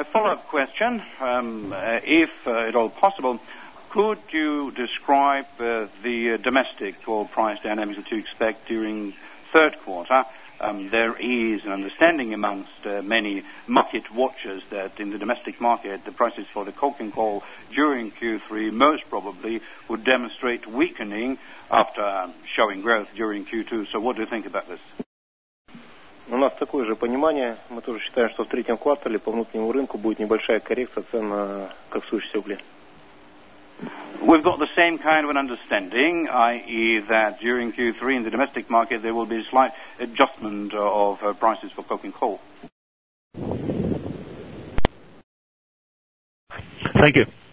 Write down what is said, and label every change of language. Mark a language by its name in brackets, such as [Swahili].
[English] a follow-up question, if at all possible, could you describe the domestic oil price dynamics that you expect during third quarter? There is an understanding amongst many market watchers that in the domestic market, the prices for the coking coal during Q3 most probably would demonstrate weakening after showing growth during Q2. So what do you think about this? [Russian] У нас такое же понимание. Мы тоже считаем, что в третьем квартале по внутреннему рынку будет небольшая коррекция цен на коксующиеся угли. [English] We've got the same kind of an understanding, i.e. that during Q3 in the domestic market there will be a slight adjustment of prices for coking coal. Thank you.